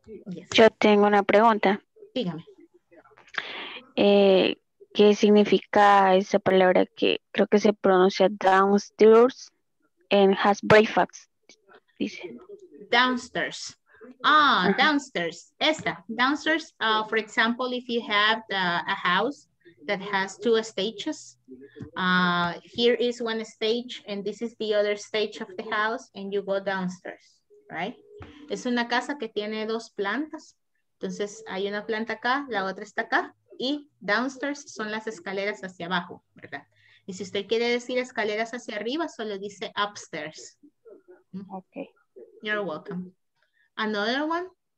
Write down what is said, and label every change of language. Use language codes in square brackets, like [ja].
[es] Yes. Yo tengo una pregunta. Dígame. ¿Qué significa esa palabra que creo que se pronuncia downstairs en has breakfast? Dice. Downstairs. Ah, uh-huh. Downstairs. Esta. [en] Downstairs, for example, if you have a house that has two stages, here is one stage and this is the other stage of the house and you go downstairs, right? [es] Es una casa que tiene dos plantas. Entonces hay una planta acá, la otra está acá. Y downstairs son las escaleras hacia abajo, ¿verdad? Y si usted quiere decir escaleras hacia arriba, solo dice upstairs. Ok. [en] You're welcome. Another one?